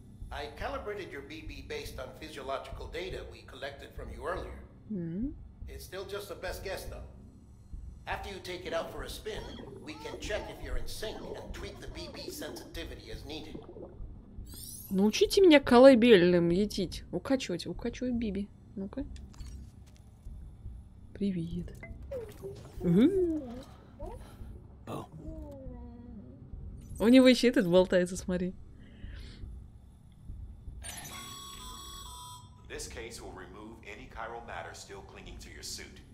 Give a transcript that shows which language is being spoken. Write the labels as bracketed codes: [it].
[en] I calibrated your BB based on physiological data we collected from you earlier. It's still just the best guess, though. After you take it out for a spin, we can check if you're in sync and tweak the BB sensitivity as needed. [ru] Научите меня колыбельным летить. Укачивать. Укачивай Биби. Ну-ка. Привет. У него еще этот болтается, смотри. [en] This case will remove any chiral matter still clinging to your suit.